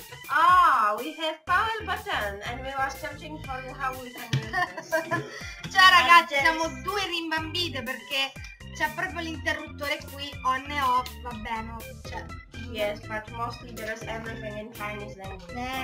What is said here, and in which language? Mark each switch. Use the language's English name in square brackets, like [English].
[English] Ah, we have power button and we were searching for how we can use this. [Italian] Ciao ragazze, siamo due rimbambite perché c'è proprio l'interruttore qui on e off, va bene. Cioè, [English] yes, but mostly there is everything in Chinese language.